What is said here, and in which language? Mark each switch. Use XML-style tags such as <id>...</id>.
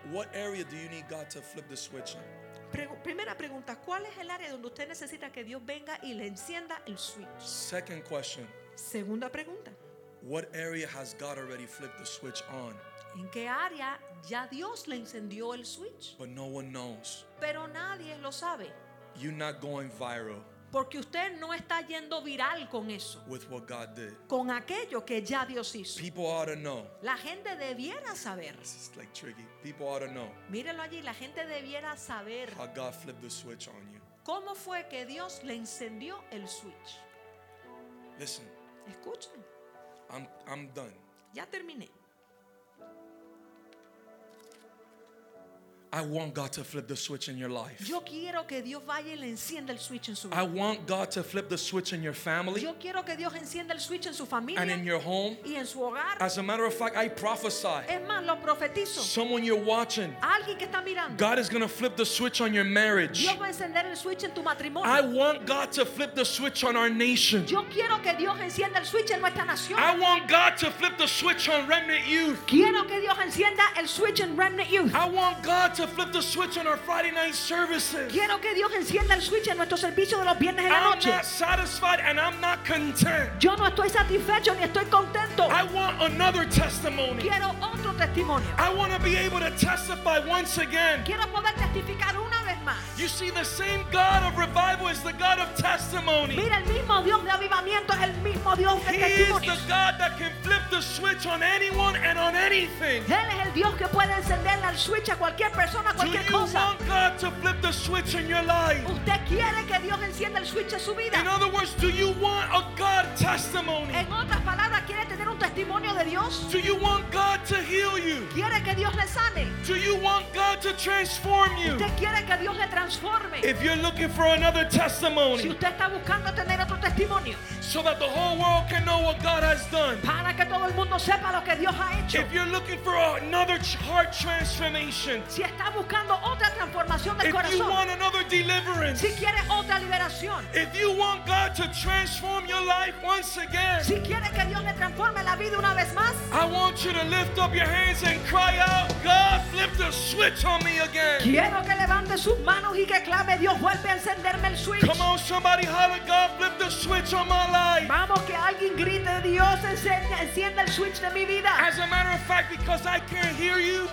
<en>What area do you need God to flip the switch in?</en> <es>Primera pregunta, ¿cuál es el área donde usted necesita que Dios venga y le encienda el switch?</es> <en>Second question.</en> <es>Segunda pregunta.</es> <en>What area has God already flipped the switch on?</en> <es>¿En qué área ya Dios le encendió el switch?</es> <en>But no one knows.</en> <es>Pero nadie lo sabe.</es> <en>You're not going viral.</en> <es>Porque usted no está yendo viral con eso.</es> <en>With what God did.</en> <es>Con aquello que ya Dios hizo.</es> <en>People ought to know.</en> <es>La gente debiera saber.</es> <en>This is like tricky. People ought to know.</en> <es>Mírelo allí, la gente debiera saber.</es> <en>How God flipped the switch on you.</en> <es>¿Cómo fue que Dios le encendió el switch?</es> <en>Listen.</en> <es>Escuchen.</es> <en>I'm done.</en> <es>Ya terminé.</es> <en>I want God to flip the switch in your life.</en> <es>Yo quiero que Dios vaya y le encienda el switch en su vida.</es> <en>I want God to flip the switch in your family.</en> <es>Yo quiero que Dios encienda el switch en su familia.</es> <en>And in your home.</en> <es>Y en su hogar.</es> <en>As a matter of fact, I prophesy.</en> <es>Es más, lo profetizo.</es> <en>Someone you're watching.</en> <es>Alguien que está mirando.</es> <en>God is going to flip the switch on your marriage.</en> <es>Dios va a encender el switch en tu matrimonio.</es> <en>I want God to flip the switch on our nation.</en> <es>Yo quiero que Dios encienda el switch en nuestra nación.</es> <en>I want God to flip the switch on Remnant Youth.</en> <es>Quiero que Dios encienda el switch en Remnant Youth.</es> <en>I want God to flip the switch on our Friday night services.</en> <es>Quiero que Dios encienda el switch en nuestro servicio de los viernes en la noche.</es> <en>I'm not satisfied and I'm not content.</en> <es>Yo no estoy satisfecho ni estoy contento.</es> <en>I want another testimony.</en> <es>Quiero otro testimonio.</es> <en>I want to be able to testify once again.</en> <es>Quiero poder testificar una vez más.</es> <en>You see, the same God of revival is the God of testimony.</en> <es>Mira, el mismo Dios de avivamiento es el mismo Dios de testimonios.</es> <en>He is the God that can flip the switch on anyone and on anything.</en> <es>Él es el Dios que puede encender el switch a cualquier persona.</es> <en>Do you want God to flip the switch in your life?</en> <es>¿Usted quiere que Dios encienda el switch en su vida?</es> <en>In other words, do you want a God testimony?</en> <es>En otras palabras, ¿quiere tener un testimonio de Dios?</es> <en>Do you want God to heal you?</en> <es>¿Quiere que Dios le sane?</es> <en>Do you want God to transform you?</en> <es>¿Usted quiere que Dios le transforme?</es> <en>If you're looking for another testimony,</en> <es>si usted está buscando tener otro testimonio,</es> <en>so that the whole world can know what God has done,</en> <es>para que todo el mundo sepa lo que Dios ha hecho,</es> <en>if you're looking for another heart transformation,</en> <es>si está buscando otra transformación del</es> <en>if</en> <es>corazón,</es> <en>you want another deliverance,</en> <es>si quiere otra liberación,</es> <en>if you want God to transform your life once again,</en> <es>si quiere que Dios le transforme la vida una vez más,</es> <en>I want you to lift up your hands and cry out, God, flip the switch on me again.</en> <es>Quiero que levante sus manos y que clame, Dios, vuelve a encenderme el switch.</es> <en>Come on, somebody holler, God, flip the switch on my life.</en> <es>Vamos, que alguien grite, Dios, enciende el switch de mi vida.</es> <en>As a matter of fact, because I can't hear you,</en>